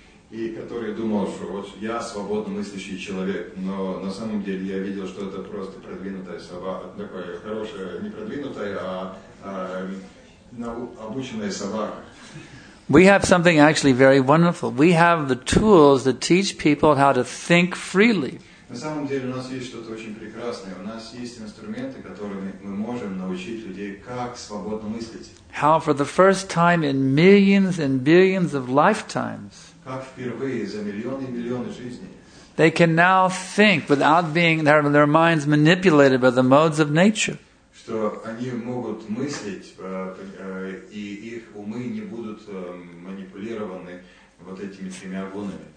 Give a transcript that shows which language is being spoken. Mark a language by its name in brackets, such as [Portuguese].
[English] We have something actually very wonderful. We have the tools to teach people how to think freely. [Russian] На самом деле у нас есть что-то очень прекрасное. У нас есть инструменты, которыми мы можем научить людей как свободно мыслить. [English] How for the first time in millions and billions of lifetimes. [Russian] Как впервые за миллионы и миллионы жизней. [English] They can now think without being their minds manipulated by the modes of nature. [Russian] Что они могут мыслить, и их умы не будут манипулированы вот этими тремя гунами.